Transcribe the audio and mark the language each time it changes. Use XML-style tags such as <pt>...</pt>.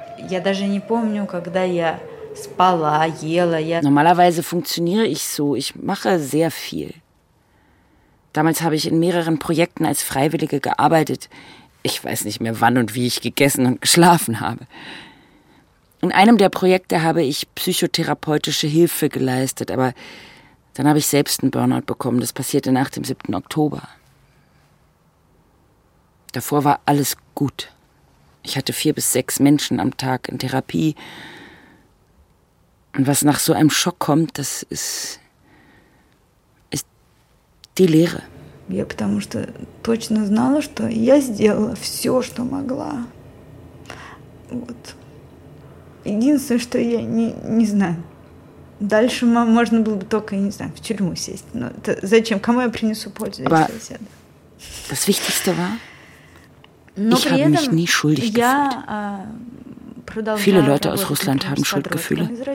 <ru>Я даже не помню, когда я спала, ела.</ru> <de>Normalerweise funktioniere ich so. Ich mache sehr viel. Damals habe ich in mehreren Projekten als Freiwillige gearbeitet. Ich weiß nicht mehr, wann und wie ich gegessen und geschlafen habe. In einem der Projekte habe ich psychotherapeutische Hilfe geleistet, aber dann habe ich selbst einen Burnout bekommen. Das passierte nach dem 7. Oktober. Davor war alles gut. Ich hatte 4 bis 6 Menschen am Tag in Therapie. Und was nach so einem Schock kommt, das ist die Leere.</de> <ru>Я потому что точно знала, что я сделала все, что могла. Вот. Единственное, что я не знаю. Дальше можно было бы только, не знаю, в тюрьму сесть. Но это зачем? Кому я принесу пользу, если я сяду?</ru> <de>Das Wichtigste war, ich habe mich nie schuldig gefühlt. Viele Leute aus Russland haben Schuldgefühle.</de>